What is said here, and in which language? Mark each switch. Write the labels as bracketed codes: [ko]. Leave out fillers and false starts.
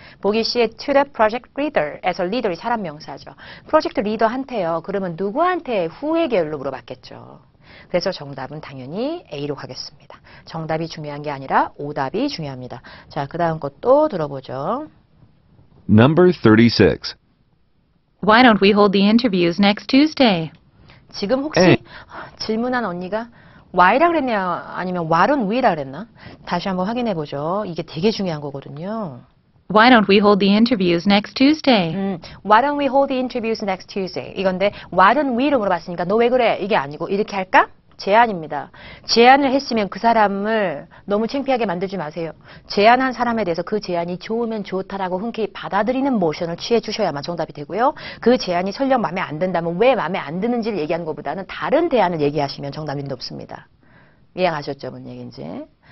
[ko] 보기 C의 [en] to the project leader. [ko] 에서 leader이 사람 명사죠. 프로젝트 리더한테요. 그러면 누구한테 후의 계열로 물어봤겠죠. 그래서 정답은 당연히 A로 가겠습니다. 정답이 중요한 게 아니라 오답이 중요합니다. 자, 그 다음 것도 들어보죠. [en] Number 36. Why don't we hold the interviews next Tuesday? [ko] 지금 혹시 A. 질문한 언니가 why라 그랬냐 아니면 [en] why don't we [ko] 라 그랬나? 다시 한번 확인해 보죠. 이게 되게 중요한 거거든요. [en] Why don't we hold the interviews next Tuesday? Why don't we hold the interviews next Tuesday? [ko] 이건데 [en] why don't we [ko] 로 물어봤으니까 너 왜 그래? 이게 아니고 이렇게 할까? 제안입니다. 제안을 했으면 그 사람을 너무 창피하게 만들지 마세요. 제안한 사람에 대해서 그 제안이 좋으면 좋다라고 흔쾌히 받아들이는 모션을 취해 주셔야만 정답이 되고요. 그 제안이 설령 마음에 안 든다면 왜 마음에 안 드는지를 얘기하는 것보다는 다른 대안을 얘기하시면 정답인 게 없습니다. 이해 가셨죠? 뭔 얘기인지.